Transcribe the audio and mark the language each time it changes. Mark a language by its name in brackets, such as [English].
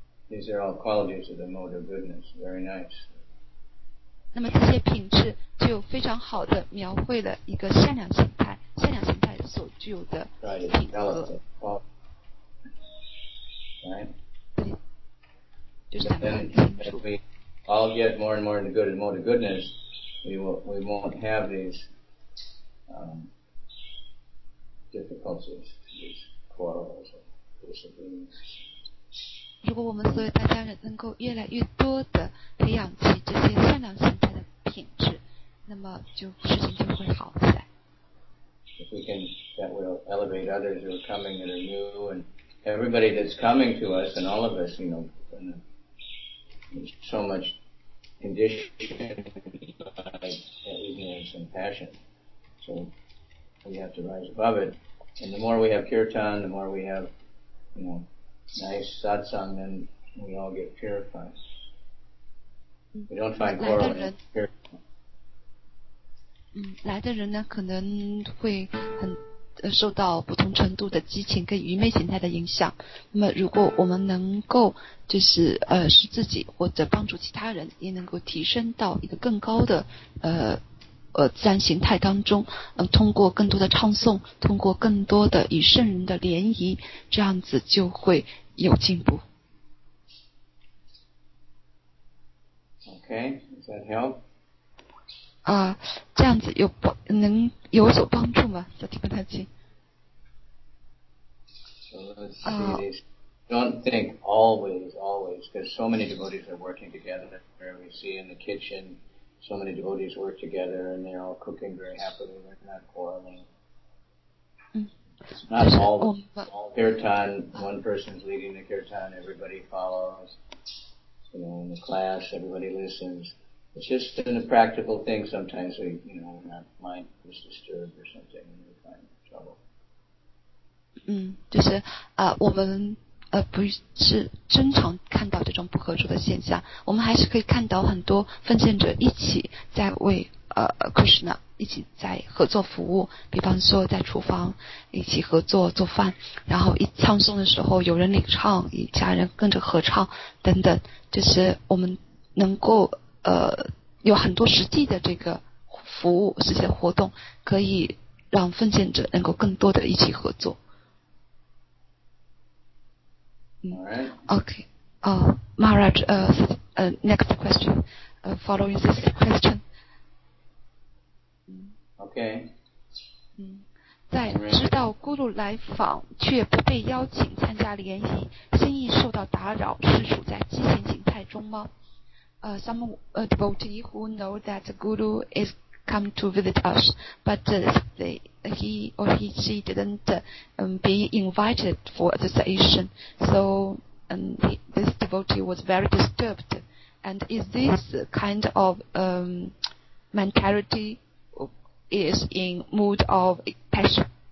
[English] These are all qualities of the mode of goodness. Very nice. [Chinese] 那么这些品质就非常好的描绘了一个善良形态，善良形态所具有的品格。 [English] Right. [Chinese] 就是讲得很清楚。 [English] All get more and more into good and more to goodness, we won't have these difficulties, these quarrels, disagreements. [Chinese] 如果我们所有大家人能够越来越多的培养起这些善良心态的品质，那么就事情就会好起来。 [English] If we can, that will elevate others who are coming that are new, and everybody that's coming to us and all of us, you know. So much conditioned by ignorance and passion. So we have to rise above it. And the more we have kirtan, the more we have, you know, nice satsang, then we all get purified. We don't find quarrel in kirtan. [Chinese] 来的人呢可能会很受到不同程度的激情跟愚昧形态的影响，那么如果我们能够就是使自己或者帮助其他人也能够提升到一个更高的自然形态当中，通过更多的唱诵，通过更多的与圣人的联谊，这样子就会有进步。 [English] OK, does that help? [Chinese] 啊，这样子有能有所帮助吗？小提不太清。 [English] So let's see, don't think always, because so many devotees are working together. Here we see in the kitchen,So many devotees work together and they're all cooking very happily, they're not quarreling. It's not all kirtan, one person's leading the kirtan, everybody follows. You know, in the class, everybody listens. It's just in a practical thing sometimes, we, you know, when our mind is disturbed or something, and we find trouble. [Chinese] 就是我们不是经常看到这种不合作的现象，我们还是可以看到很多奉献者一起在为Krishna 一起在合作服务，比方说在厨房一起合作做饭，然后一唱诵的时候有人领唱，一家人跟着合唱等等，就是我们能够有很多实际的这个服务实际的活动，可以让奉献者能够更多的一起合作。 [English] Alright. Okay. Maharaj, next question. Following this question. Okay. [Chinese] 在知道咕噜来访却不被邀请参加联谊，心意受到打扰，是处在激情形态中吗？ [English] Some devotee who know that the guru is come to visit us, but he or she didn't be invited for the session. So this devotee was very disturbed. And is this kind of mentality is in mood of passion?